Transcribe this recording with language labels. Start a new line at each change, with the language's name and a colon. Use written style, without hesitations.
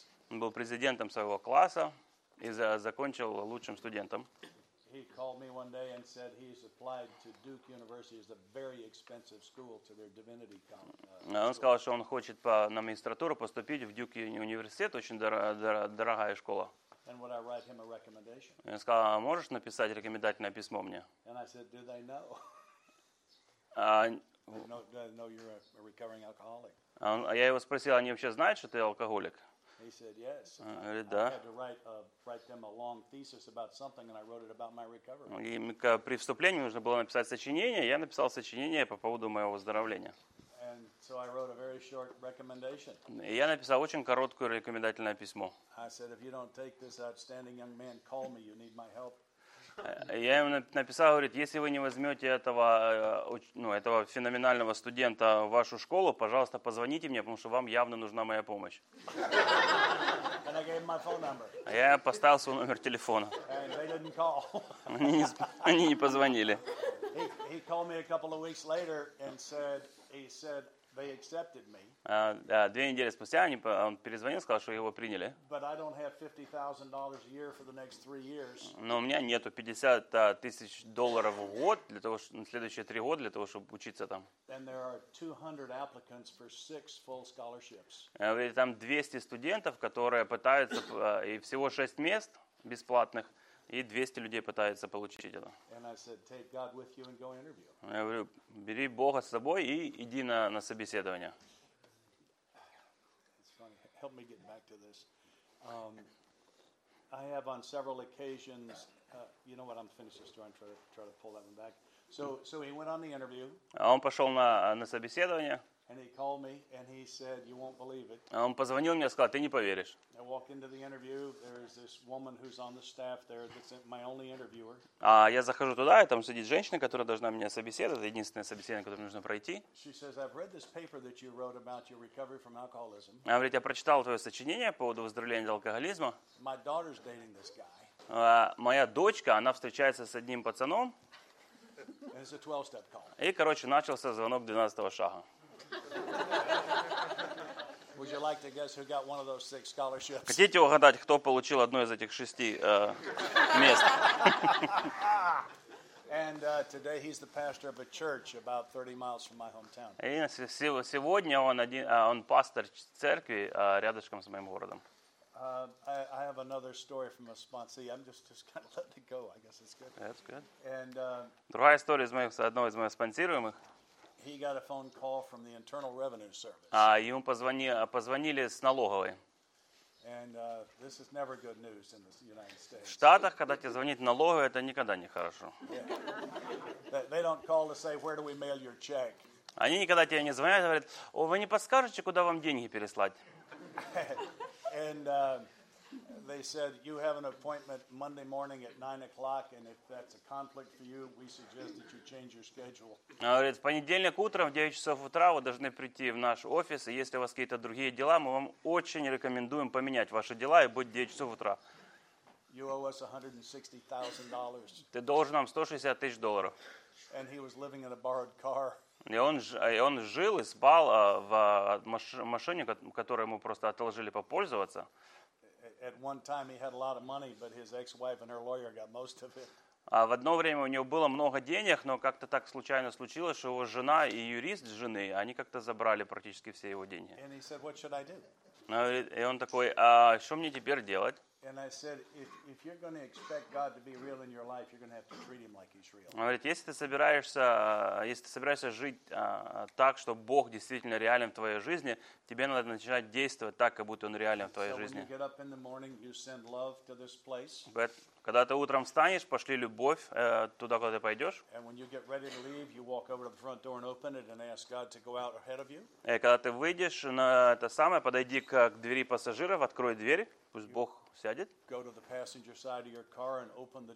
Russian: Он был президентом своего класса и закончил лучшим студентом.
English: He called me one day and said he's applied to Duke University as a very expensive school to their divinity college.
Russian: Он сказал, что он хочет на магистратуру поступить в Дюк университет, очень дорогая школа.
English: And would I write him a recommendation?
Russian: Я сказал, а можешь написать рекомендательное письмо мне?
English: And I said, do they know? No, you're a recovering alcoholic.
Russian: Я его спросил, они вообще знают, что ты алкоголик?
English: He said yes.
Russian: Говорит, да.
English: I had to write them a long thesis about something, and I wrote it about my recovery.
Russian: И при вступлении нужно было написать сочинение. Я написал сочинение по поводу моего выздоровления.
English: And so I wrote a very short recommendation.
Russian: И я написал очень короткое рекомендательное письмо.
English: I said, if you don't take this outstanding young man, call me. You need my help.
Russian: Я ему написал, говорит, если вы не возьмете этого феноменального студента в вашу школу, пожалуйста, позвоните мне, потому что вам явно нужна моя помощь.
English: And I gave him my phone number.
Russian: Я поставил свой номер телефона.
English: And they didn't call.
Russian: Они не позвонили.
English: He called me a couple of weeks later and said, They accepted me.
Russian: Две недели спустя он перезвонил, сказал, что его приняли.
English: But I don't have $50,000 a year for the next three years.
Russian: Но у меня нету $50,000 в год для того, чтобы на следующие три года для того, чтобы учиться там.
English: And there are 200 applicants for six full scholarships.
Russian: Там 200 студентов, которые пытаются и всего 6 мест бесплатных. И 200 людей пытаются получить это.
English: Said, take God with you and go interview.
Russian: Я говорю, бери Бога с собой и иди на собеседование.
English: It's funny. Help me get back to this. I have on several occasions, you know what, I'm finished this story, I'm trying to pull that one back. So he went on the interview.
Russian: А он пошел на собеседование.
English: And he called me and he said, you won't believe it.
Russian: Он позвонил мне и сказал, ты не поверишь.
English: I walk into the interview, there is this woman who's on the staff there, that's my only interviewer.
Russian: А я захожу туда, и там сидит женщина, которая должна меня собеседовать, это единственное собеседование, которое нужно пройти.
English: She says, I've read this paper that you wrote about your recovery from alcoholism.
Russian: Она говорит, я прочитал твое сочинение по поводу выздоровления от алкоголизма.
English: My daughter's dating this guy.
Russian: Моя дочка, она встречается с одним пацаном.
English: And it's a 12-step call.
Russian: И, короче, начался звонок 12-го шага.
English: Would you like to guess who got one of those six scholarships?
Russian: Хотите угадать, кто получил одно из этих шести мест?
English: And today he's the pastor of a church about 30 miles from my hometown.
Russian: И сегодня он пастор церкви рядышком с моим городом.
English: I have another story from a sponsee. I'm just kind of letting it go. I guess it's good. That's good. And
Russian: другая история одного из моих спонсируемых.
English: He got a phone call from the Internal Revenue Service.
Russian: Ему позвонили с налоговой.
English: And this is never good news in the United States.
Russian: В Штатах, когда тебе звонит налоговая, это никогда не хорошо.
English: They don't call to say, where do we mail your check?
Russian: Они никогда тебе не звонят и говорят, о, вы не подскажете, куда вам деньги переслать?
English: And they said, you have an appointment Monday morning at 9 o'clock, and if that's a conflict for you, we suggest that you change your schedule.
Russian: Она говорит, в понедельник утром в 9 часов утра вы должны прийти в наш офис, и если у вас какие-то другие дела, мы вам очень рекомендуем поменять ваши дела и быть в 9 часов утра.
English: You owe us $160,000.
Russian: Ты должен нам $160,000.
English: And he was living in a borrowed car.
Russian: И он жил и спал в машине, которую ему просто отложили попользоваться.
English: At one time he had a lot of money, but his ex-wife and her lawyer got most of it.
Russian: А в одно время у него было много денег, но как-то так случайно случилось, что его жена и юрист жены, они как-то забрали практически все его деньги.
English: And he said, what should I do?
Russian: И он такой, а что мне теперь делать?
English: And I said, if you're going to expect God to be real in your life, you're going to have to treat him like he's real.
Russian: Он говорит, если ты собираешься жить так, чтобы Бог действительно реален в твоей жизни, тебе надо начинать действовать так, как будто он реален в твоей жизни.
English: When you get up in the morning, you send love to this place.
Russian: Когда ты утром встанешь, пошли любовь туда, куда ты пойдешь.
English: And when you get ready to leave, you walk over to the front door and open it and ask God to go out ahead of you.
Russian: И когда ты выйдешь на это самое, подойди к двери пассажиров, открой дверь, пусть Бог сядет.
English: Go to the passenger side of your car and open the